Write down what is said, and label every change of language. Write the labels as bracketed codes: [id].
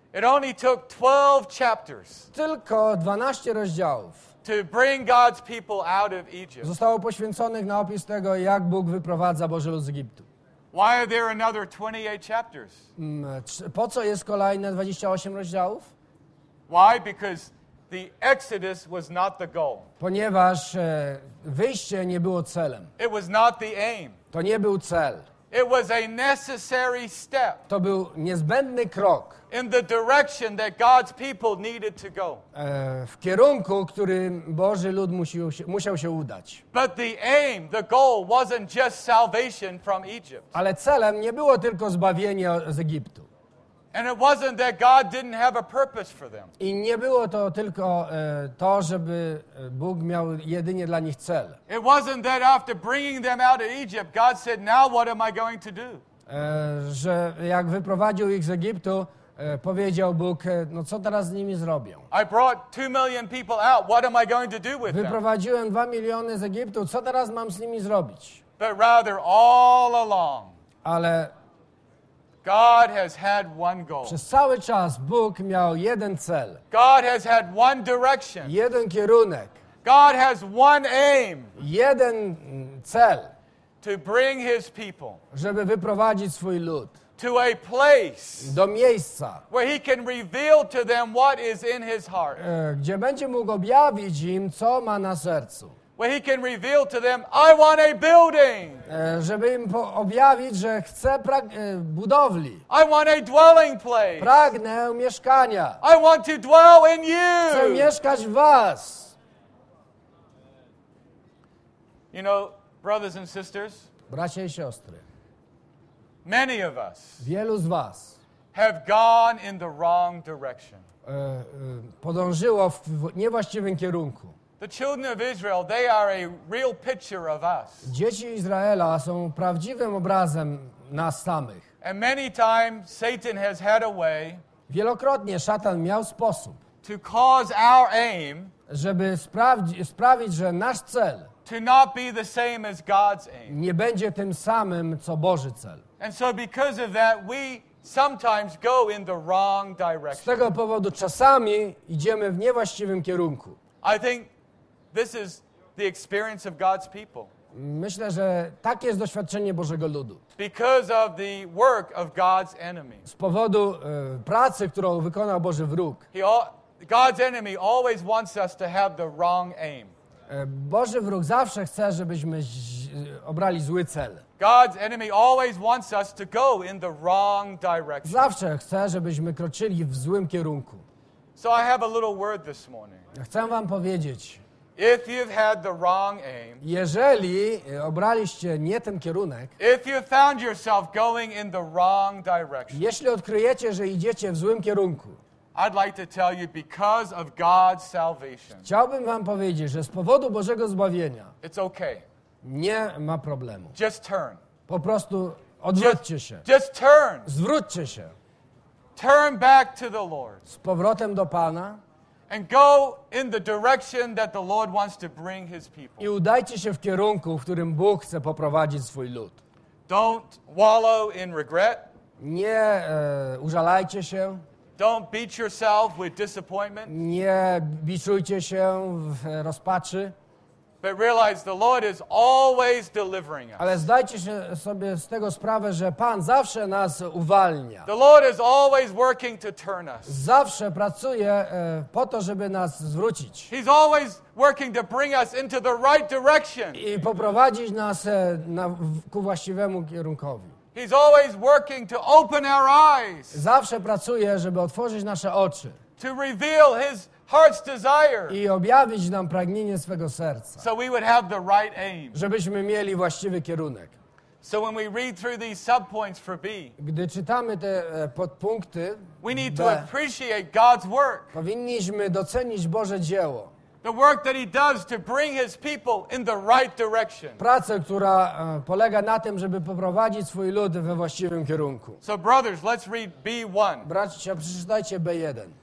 [en] It only took 12 chapters. [pl] Tylko 12 rozdziałów. [en] To bring God's people out of Egypt. [pl] Zostało poświęconych na opis tego, jak Bóg wyprowadza Boży lud z Egiptu. [en] Why are there another 28 chapters? [pl] Po co jest kolejne 28 rozdziałów? [en] Why? Because the Exodus was not the goal. [pl] Ponieważ wyjście nie było celem. [en] It was not the aim. [pl] To nie był cel. [en] It was a necessary step. [pl] To był niezbędny krok. [en] In the direction that God's people needed to go. [pl] W kierunku, którym Boży lud musiał się udać. [en] But the aim, the goal wasn't just salvation from Egypt. [pl] Ale celem nie było tylko zbawienie z Egiptu. [en] And it wasn't that God didn't have a purpose for them. [pl] I nie było to tylko to, żeby Bóg miał jedynie dla nich cel. [en] It wasn't that after bringing them out of Egypt, God said, "Now what am I going to do?" [pl] Że jak wyprowadził ich z Egiptu, powiedział Bóg, no co teraz z nimi zrobię? [en] I brought 2 million people out. What am I going to do with them? [pl] Wyprowadziłem 2 miliony z Egiptu. Co teraz mam z nimi zrobić? [en] But rather all along. [pl] Ale [en] God has had one goal. [pl] Przez cały czas Bóg miał jeden cel. [en] God has had one direction. [pl] Jeden kierunek. [en] God has one aim. [pl] Jeden cel. [en] To bring his people. [pl] Żeby wyprowadzić swój lud. [en] To a place. [pl] Do miejsca. [en] Where he can reveal to them what is in his heart. [pl] Gdzie będzie mógł objawić im, co ma na sercu. [en] Where he can reveal to them, I want a building. [pl] Żeby im objawić, że chcę budowli. [en] I want a dwelling place. [pl] Pragnę mieszkania. [en] I want to dwell in you. [pl] Chcę mieszkać w was. [en] You know, brothers and sisters. [pl] Bracia i siostry. [en] Many of us. [pl] Wielu z was. [en] Have gone in the wrong direction. [pl] Podążyło w niewłaściwym kierunku. [en] The children of Israel, they are a real picture of us. [pl] Dzieci Izraela są prawdziwym obrazem nas samych. [en] And many times Satan has had a way. [pl] Wielokrotnie szatan miał sposób. [en] To cause our aim. [pl] Żeby sprawić, że nasz cel. [en] To not be the same as God's aim. [pl] Nie będzie tym samym, co Boży cel. [en] And so because of that, we sometimes go in the wrong direction. [pl] Z tego powodu czasami idziemy w niewłaściwym kierunku. [en] I think this is the experience of God's people. [pl] Myślę, że tak jest doświadczenie Bożego ludu. [en] Because of the work of God's enemy. [pl] Z powodu pracy, którą wykonał Boży wróg. [en] God's enemy always wants us to have the wrong aim. [pl] Boży wróg zawsze chce, żebyśmy obrali zły cel. [en] God's enemy always wants us to go in the wrong direction. [pl] Zawsze chce, żebyśmy kroczyli w złym kierunku. [en] So I have a little word this morning. [pl] Chcę wam powiedzieć. [en] If you've had the wrong aim. [pl] Jeżeli obraliście nie ten kierunek. [en] If you found yourself going in the wrong direction. [pl] Jeśli odkryjecie, że idziecie w złym kierunku. [en] I'd like to tell you because of God's salvation. [pl] Chciałbym wam powiedzieć, że z powodu Bożego zbawienia. [en] It's okay. [pl] Nie ma problemu. [en] Just turn. [pl] Po prostu odwróćcie się. [en] Just turn. [pl] Zwróćcie się. [en] Turn back to the Lord. [pl] Z powrotem do Pana. [en] And go in the direction that the Lord wants to bring his people. [pl] I udajcie się w kierunku, w którym Bóg chce poprowadzić swój lud. [en] Don't wallow in regret. [pl] Nie użalajcie się. [en] Don't beat yourself with disappointment. [pl] Nie biczujcie się w rozpaczy. [en] But realize the Lord is always delivering us. [pl] Ale zdajcie się sobie z tego sprawę, że Pan zawsze nas uwalnia. [en] The Lord is always working to turn us. [pl] Zawsze pracuje po to, żeby nas zwrócić. [en] He's always working to bring us into the right direction. [pl] I poprowadzić nas ku właściwemu kierunkowi. [en] He's always working to open our eyes. [pl] Zawsze pracuje, żeby otworzyć nasze oczy. [en] To reveal his heart's desire. [pl] I objawić nam pragnienie swego serca. [en] So we would have the right aim. [pl] Żebyśmy mieli właściwy kierunek. [en] So when we read through these subpoints for B, [pl] gdy czytamy te podpunkty, [en] we need to appreciate God's work. [pl] Powinniśmy docenić Boże dzieło. [en] The work that he does to bring his people in the right direction. [pl] Praca, która polega na tym, żeby poprowadzić swój lud we właściwym kierunku. [en] So brothers, let's read B1. [pl] Bracia, przeczytajcie B1.